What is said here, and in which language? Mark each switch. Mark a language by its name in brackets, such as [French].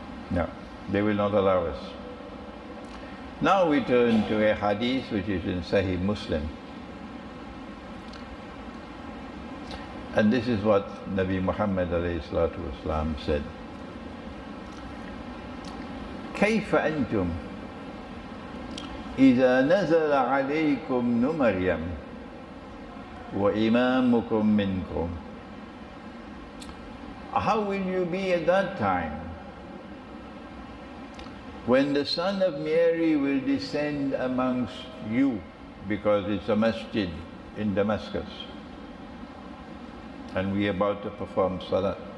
[English] No, they will not allow us. Now we turn to a hadith which is in Sahih Muslim. And this is what Nabi Muhammad said. [Arabic] Kayfa antum إذا نزل عليكم ابن مريم وإمامكم منكم. [English] How will you be at that time when the son of Mary will descend amongst you, because it's a masjid in Damascus and we are about to perform salat.